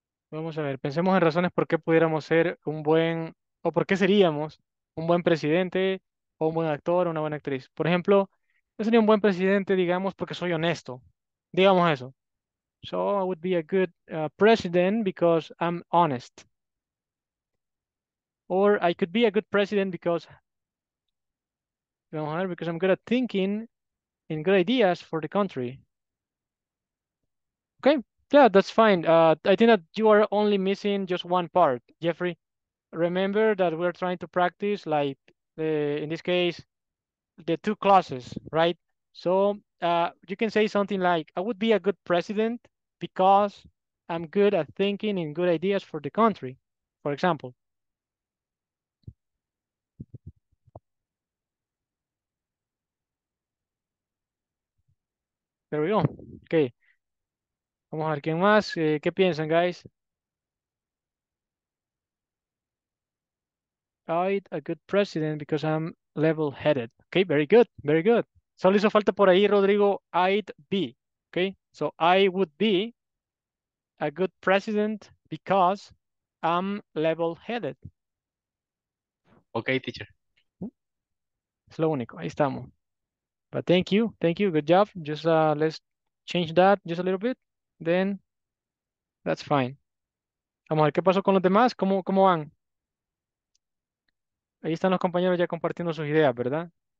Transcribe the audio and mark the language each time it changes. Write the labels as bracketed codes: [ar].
[es] Vamos a ver, pensemos en razones por qué pudiéramos ser un buen, o por qué seríamos un buen presidente, o un buen actor, o una buena actriz. Por ejemplo, yo sería un buen presidente, digamos, porque soy honesto. Digamos eso. [en] So I would be a good president because I'm honest. Or I could be a good president because, [es] vamos a ver, [en] because I'm good at thinking and good ideas for the country. Okay. Yeah, that's fine. I think that you are only missing just one part, Jeffrey. Remember that we're trying to practice, like, in this case, the two clauses, right? So you can say something like, I would be a good president because I'm good at thinking and good ideas for the country, for example. There we go. Okay. [es] Vamos a ver quién más. ¿Qué piensan, guys? [en] I'm a good president because I'm level-headed. Okay, very good, very good. [es] Solo hizo falta por ahí, Rodrigo, [en] I'd be. Okay, so I would be a good president because I'm level-headed. Okay, teacher. [es] Es lo único, ahí estamos. [en] But thank you, good job. Just let's change that just a little bit. Then, that's fine. [es] Vamos a ver, ¿qué pasó con los demás? ¿Cómo van? Ahí están los compañeros ya compartiendo sus ideas, ¿verdad?